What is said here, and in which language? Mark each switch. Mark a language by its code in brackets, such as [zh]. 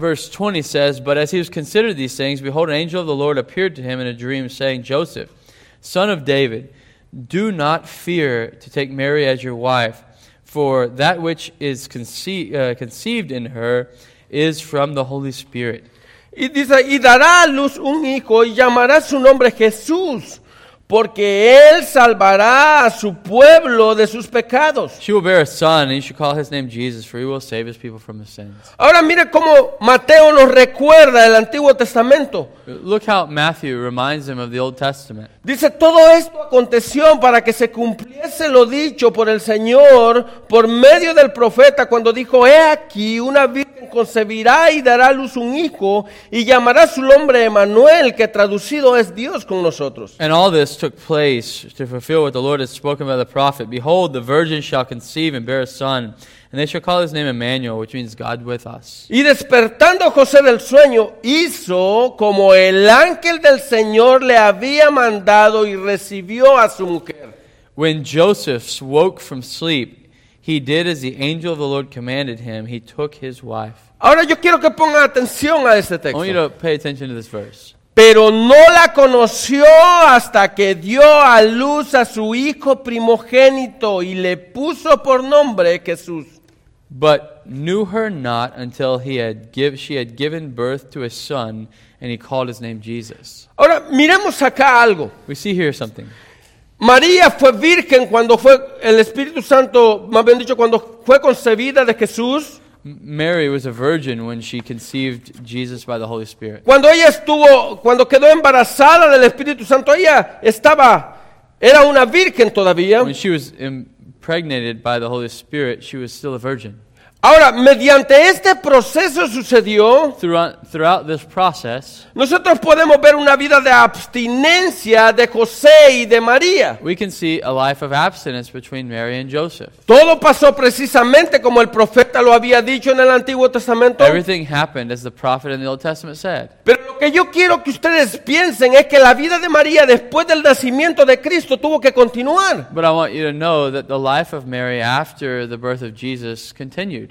[en] Verse 20 says, but as he was considering these things, behold, an angel of the Lord appeared to him in a dream, saying, Joseph, son of David, do not fear to take Mary as your wife, for that which is conceived in her is from the Holy Spirit. [es] Y dice, y dará a luz un hijo, y llamará su nombre Jesús, porque él salvará a su pueblo de sus pecados. [en] She will bear a son, and you should call his name Jesus, for he will save his people from his sins. [es] Ahora mire cómo Mateo nos recuerda el Antiguo Testamento. [en] Look how Matthew reminds him of the Old Testament. [es] Dice, todo esto aconteció para que se cumpliese lo dicho por el Señor por medio del profeta cuando dijo, he aquí, una virgen concebirá y dará a luz un hijo y llamará su nombre Emmanuel, que traducido es Dios con nosotros. [en] And all this took place to fulfill what the Lord has spoken by the prophet. Behold, the virgin shall conceive and bear a son, and they shall call his name Emmanuel, which means God with us. [es] Y despertando José del sueño, hizo como el ángel del Señor le había mandado y recibió a su mujer. [en] When Joseph woke from sleep, he did as the angel of the Lord commanded him. He took his wife. [es] Ahora yo quiero que ponga atención a este texto. [en] I want you to pay attention to this verse. [es] Pero no la conoció hasta que dio a luz a su hijo primogénito y le puso por nombre Jesús. [en] But knew her not until she had given birth to a son, and he called his name Jesus. [es] Ahora, miremos acá algo. [en] We see here something. [es] María fue virgen cuando fue el Espíritu Santo, más bien dicho, cuando fue concebida de Jesús. [en] Mary was a virgin when she conceived Jesus by the Holy Spirit. [es] Cuando ella estuvo, cuando quedó embarazada del Espíritu Santo, ella estaba, era una virgen todavía. [en] When she was impregnated by the Holy Spirit, she was still a virgin. [es] Ahora, mediante este proceso sucedió. [en] Throughout this process, [es] nosotros podemos ver una vida de abstinencia de José y de María. [en] We can see a life of abstinence between Mary and Joseph. [es] Todo pasó precisamente como el profeta lo había dicho en el Antiguo Testamento. [en] Everything happened as the prophet in the Old Testament said. [es] Pero lo que yo quiero que ustedes piensen es que la vida de María después del nacimiento de Cristo tuvo que continuar. [en] But I want you to know that the life of Mary after the birth of Jesus continued.